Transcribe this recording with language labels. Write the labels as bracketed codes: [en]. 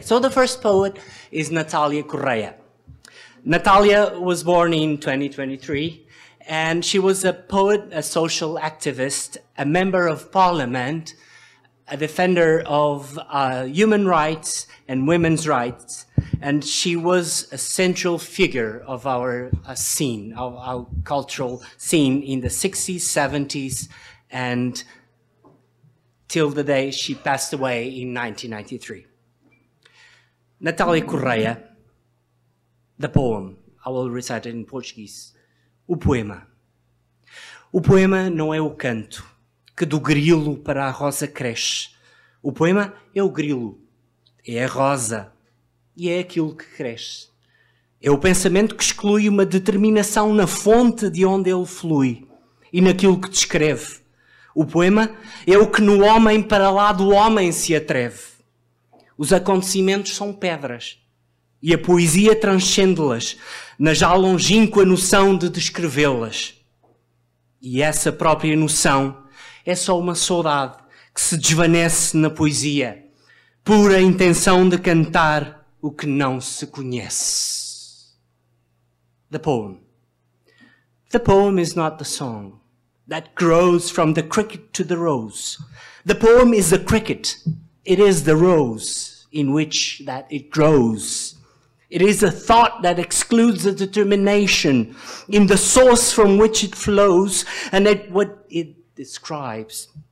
[en] So the first poet is Natalia Correia. Natalia was born in 2023, and she was a poet, a social activist, a member of parliament, a defender of human rights and women's rights, and she was a central figure of our scene, of our cultural scene in the 60s, 70s, and till the day she passed away in 1993. Natalia Correia, the poem. I will recite it in Portuguese. [pt] O poema. O poema não é o canto, que do grilo para a rosa cresce. O poema é o grilo, é a rosa, e é aquilo que cresce. É o pensamento que exclui uma determinação na fonte de onde ele flui e naquilo que descreve. O poema é o que no homem para lá do homem se atreve. Os acontecimentos são pedras e a poesia transcende-las na já longínqua noção de descrevê-las. E essa própria noção é só uma saudade que se desvanece na poesia, pura intenção de cantar o que não se conhece. [en] The poem. The poem is not the song that grows from the cricket to the rose. The poem is the cricket. It is the rose in which that it grows. It is a thought that excludes a determination in the source from which it flows and it, what it describes.